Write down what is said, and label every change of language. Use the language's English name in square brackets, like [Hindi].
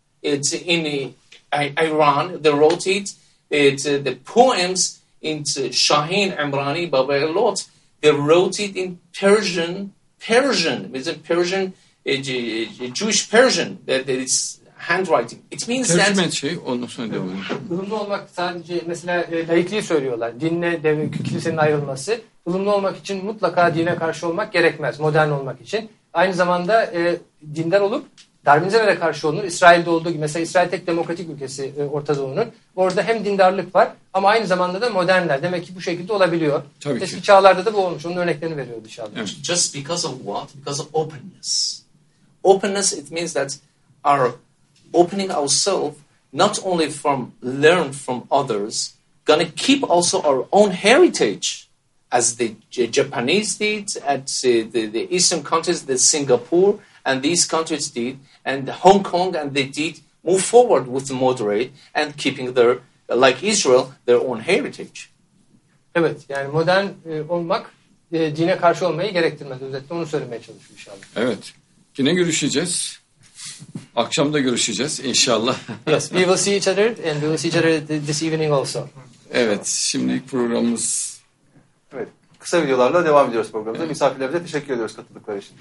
[English] It's in Iran, they wrote it. It's the poems in Shaheen Imrani, Baba Elot. They wrote it in Persian, it's a Persian, Jewish Persian, that is handwriting. It means [Turkish] tercümeci, [English] that... [Turkish] onu söylüyorum. Ilımlı olmak sadece, mesela laikliği söylüyorlar, dinle, devin, kilisenin ayrılması. Ilımlı olmak için mutlaka dine karşı olmak gerekmez, modern olmak için. Aynı zamanda dindar olup, Darwinizme de karşı olunur. İsrail'de olduğu gibi. Mesela İsrail tek demokratik ülkesi Orta Doğu'nun. Orada hem dindarlık var ama aynı zamanda da modernler. Demek ki bu şekilde olabiliyor. Tabii eski ki. Çağlarda da bu olmuş. Onun örneklerini veriyor dışarıda. Evet. [English] Just because of what? Because of openness. Openness, it means that our opening ourselves not only from learn from others, gonna keep also our own heritage as the Japanese did at the Eastern countries, the Singapore, and these countries did, and Hong Kong, and they did move forward with the moderate and keeping their, like Israel, their own heritage. [Turkish] Evet, yani modern olmak dine karşı olmayı gerektirmez. Özetle onu söylemeye çalışıyorum inşallah. Evet, yine görüşeceğiz. Akşam da görüşeceğiz inşallah. [English] Yes, we will see each other, and we will see each other this evening also. [Turkish] Evet, şimdilik programımız... Evet, kısa videolarla devam ediyoruz programımıza. Evet. Misafirlerimize teşekkür ediyoruz katıldıkları için.